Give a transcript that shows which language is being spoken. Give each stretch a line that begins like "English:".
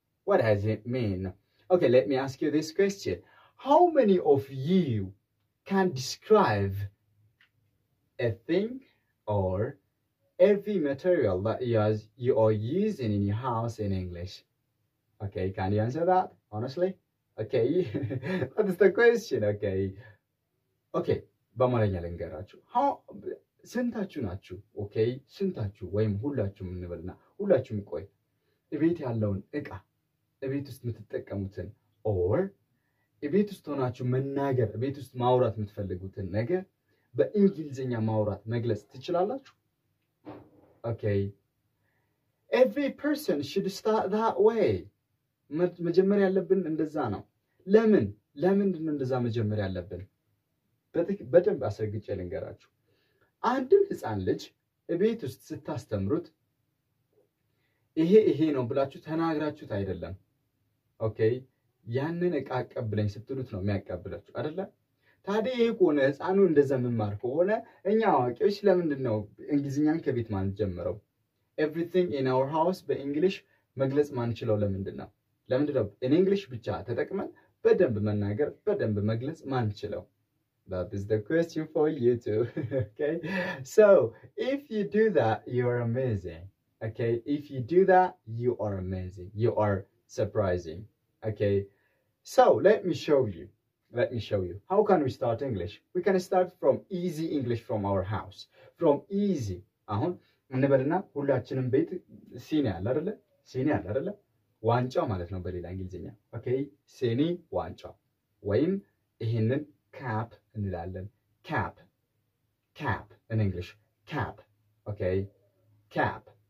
English: What does it mean? Okay, let me ask you this question. How many of you can describe a thing or every material that you are using in your house in English? Okay, can you answer that, honestly? Okay, that's the question, okay.
Amharic: Okay, በአማርኛ ልንገራችሁ. How ስንታችሁ ናችሁ? Okay, ስንታችሁ ወይም ሁላችሁም እንበልና ሁላችሁም ቆይ. እቤት ያለውን እቃ እቤት ውስጥ የምትጠቀሙትን or እቤት ውስጥ ሆናችሁ መናገር እቤት ውስጥ ማውራት የምትፈልጉትን ነገር በእንግሊዝኛ ማውራት መግለጽ ትችላላችሁ? Okay.
English: Every person should start that way.
Amharic: መጀመር ያለብን እንደዛ ነው. ለምን? ለምንድን እንደዛ መጀመር ያለብን? በደንብ አስረግጬ ልንገራችሁ. አንድ ህፃን ልጅ እቤት ውስጥ ስታስተምሩት ይሄ ይሄ ነው ብላችሁ ተናግራችሁት አይደለም. Okay. ያንን እቃ አቀብለኝ ስትሉት ነው የሚያቀብላችሁ አይደለ? ታዲያ ይሄ ቆነ ህፃኑ እንደዛ መማር ከሆነ እኛ አዋቂዎች ለምንድን ነው እንግሊዝኛን ከቤት ማንጀምረው?
English: Everything in our house
Amharic: በእንግሊሽ መግለጽ ማንችለው ለምንድን ነው? ለምንድን ነው
English: in English
Amharic: ብቻ ተጠቅመን በደንብ መናገር በደንብ መግለጽ ማንችለው?
English: That is the question for you too. Okay? So, if you do that, you are amazing. Okay? If you do that, you are amazing. You are surprising. Okay, so let me show you. How can we start English? We can start from easy English from our house. From easy.
Amharic: አሁን እንበልና ሁላችንም ቤት ሲኒ አለ አይደለ? ሲኒ አለ አይደለ? ዋንጫ ማለት ነው በሌላ እንግሊዝኛ. Okay, ሲኒ ዋንጫ. ወይም ይሄንን cap እንላለን.
English: Cap. Cap in English. Cap. Okay. Cap.